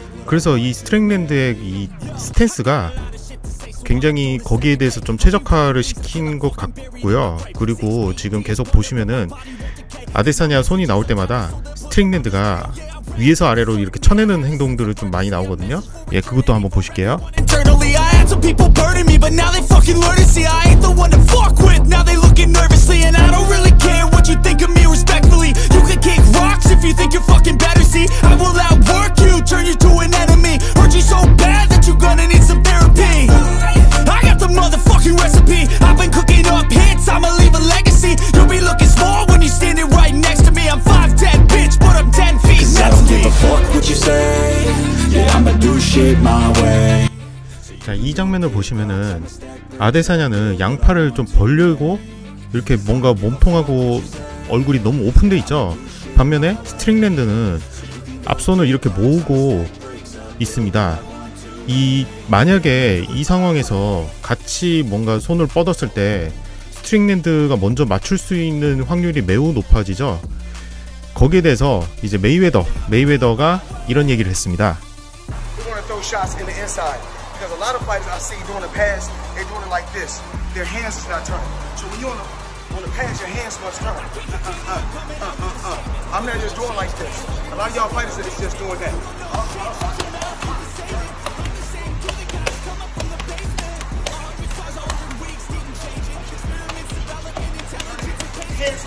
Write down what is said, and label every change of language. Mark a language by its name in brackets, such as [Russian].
[Korean] 그래서 이 스트링랜드의 이 스탠스가 굉장히 거기에 대해서 좀 최적화를 시킨 것 같고요. 그리고 지금 계속 보시면은 아데사냐 손이 나올 때마다 스트링랜드가 위에서 아래로 이렇게 쳐내는 행동들을 좀 많이 나오거든요. 예, 그것도 한번 보실게요. [English] Some people burning me, but now they fucking learning. See, I ain't the one to fuck with. Now they looking nervously, and I don't really care what you think of me respectfully. You can kick rocks if you think you're fucking better. See, I will outwork you, turn you to an enemy. Hurt you so bad that you're gonna need some therapy. I got the motherfucking recipe. I've been cooking up hits, I'ma leave a legacy. You'll be looking small when you're standing right next to me. I'm 5'10", bitch, but I'm 10 feet next to me. 'Cause I don't give a fuck what you say. Yeah, I'ma do shit my way. [Korean] 자, 이 장면을 보시면은 아데사냐는 양팔을 좀 벌리고 이렇게 뭔가 몸통하고 얼굴이 너무 오픈되어 있죠. 반면에 스트링랜드는 앞손을 이렇게 모으고 있습니다. 이 만약에 이 상황에서 같이 뭔가 손을 뻗었을 때 스트링랜드가 먼저 맞출 수 있는 확률이 매우 높아지죠. 거기에 대해서 이제 메이웨더가 이런 얘기를 했습니다. [English] Because a lot of fighters I see doing the pass, they're doing it like this. Their hands is not turning. So when you on the pass, your hands must turn. I'm not just doing like this. A lot of y'all fighters are just doing that.